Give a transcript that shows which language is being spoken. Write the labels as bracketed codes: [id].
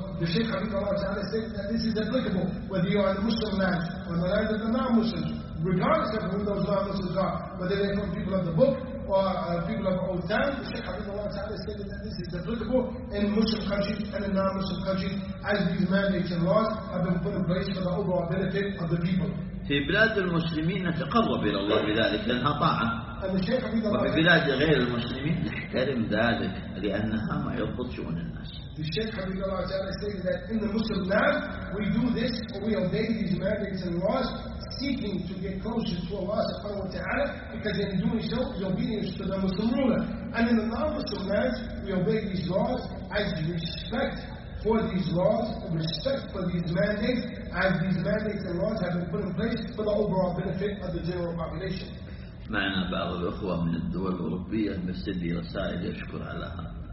[en] The Shaykh Habib Allah Ta'ala said that this is applicable whether you are in the Muslim lands or in the lands of the non-Muslims, regardless of who those non-Muslims are. whether they come people of the book or people of old time, the Shaykh Habibullah Ta'ala stated that this is applicable in Muslim countries and in non-Muslim countries, as these mandates and laws have been put in place for the overall benefit of the people. [ar] في بلاد المسلمين نتقرب إلى الله بذلك لأنها طاعة، وفي بلاد غير المسلمين نحترم ذلك لأنها ما يضبط شؤون الناس. [en] The Sheikh Habibullah Ta'ala stated that in the Muslim land we do this or we obey these mandates and laws seeking to get closer to Allah subhanahu wa ta'ala, because in doing so the obedience to the Muslim ruler, and in the non-Muslim lands we obey these laws as respect for these laws, respect for these mandates, as these mandates and laws have been put in place for the overall benefit of the general population. [ar] معنا بعض الأخوة من الدول الأوروبية مرسل لي رسائل يشكر عليها.